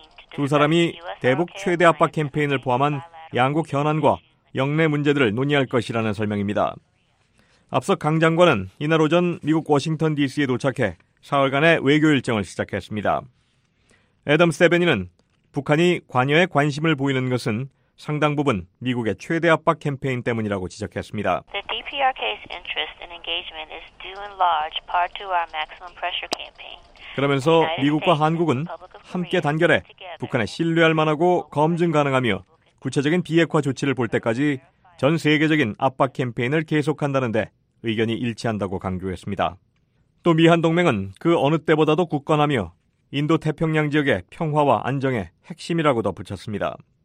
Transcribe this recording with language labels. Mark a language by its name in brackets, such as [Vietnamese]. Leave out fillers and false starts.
[Korean] 두 사람이 대북 최대 압박 캠페인을 포함한 양국 현안과 역내 문제들을 논의할 것이라는 설명입니다. 앞서 강 장관은 이날 오전 미국 워싱턴 DC에 도착해 사흘간의 외교 일정을 시작했습니다. 애덤스 대변인은 북한이 관여에 관심을 보이는 것은 상당 부분 미국의 최대 압박 캠페인 때문이라고 지적했습니다. [English] The DPRK's interest in engagement is due in large part to our maximum pressure campaign. [Korean] 그러면서 미국과 한국은 함께 단결해 북한에 신뢰할 만하고 검증 가능하며 구체적인 비핵화 조치를 볼 때까지 전 세계적인 압박 캠페인을 계속한다는데 의견이 일치한다고 강조했습니다. 또 미한 동맹은 그 어느 때보다도 굳건하며 인도태평양 지역의 평화와 안정의 핵심이라고 덧붙였습니다.